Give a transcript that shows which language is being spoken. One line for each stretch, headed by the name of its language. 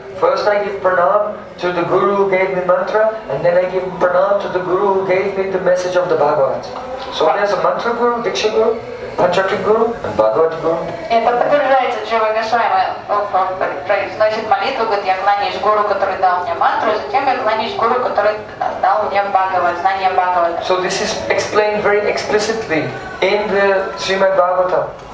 English: First I give pranam to the guru who gave me mantra, and then I give pranam to the guru who gave me the message of the Bhagavad. So there's a mantra guru, diksha guru, panchartic guru, and Bhagavad guru.
Russian: Это подтверждается Джива Гасвами. Он произносит молитву, говорит, я кланяюсь гуру, который дал мне мантру, затем я кланяюсь гуру, который дал мне Бхагавад, знание Бхагавад.
English: So this is explained very explicitly in the Srimad Bhagavatam.